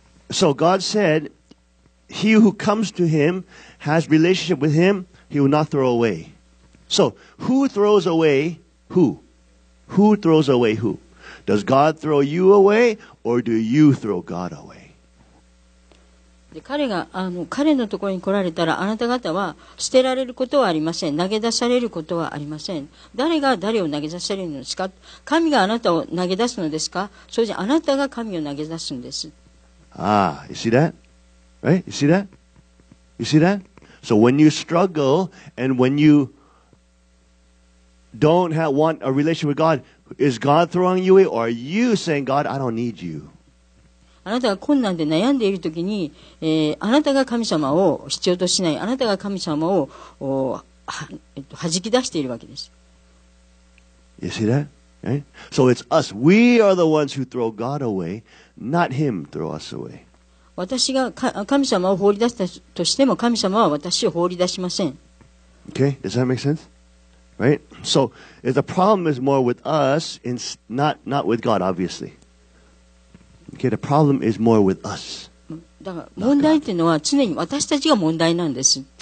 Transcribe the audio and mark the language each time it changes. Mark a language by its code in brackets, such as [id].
[en] So God said, he who comes to him, has relationship with him, he will not throw away. So, who throws away who? Who throws away who? Does God throw you away, or do you throw God away? [ja] 彼が、彼のところに来られたら、あなた方は捨てられることはありません。投げ出されることはありません。誰が誰を投げ出せるのですか？神があなたを投げ出すのですか？それじゃあなたが神を投げ出すんです。 [en] Ah, you see that? Right? You see that? You see that? So when you struggle and when you don't want a relationship with God, is God throwing you away or are you saying, God, I don't need you? [ja] あなたが困難で悩んでいるときに、あなたが神様を必要としない、あなたが神様を、弾き出しているわけです。 [en] You see that? Right? So it's us. We are the ones who throw God away. Not him throw us away. [ja] 私が神様を放り出したとしても神様は私を放り出しません。 [en] Okay, does that make sense? Right? So, the problem is more with us, not with God, obviously. Okay, the problem is more with us. [ja] だから問題というのは常に私たちが問題なんです。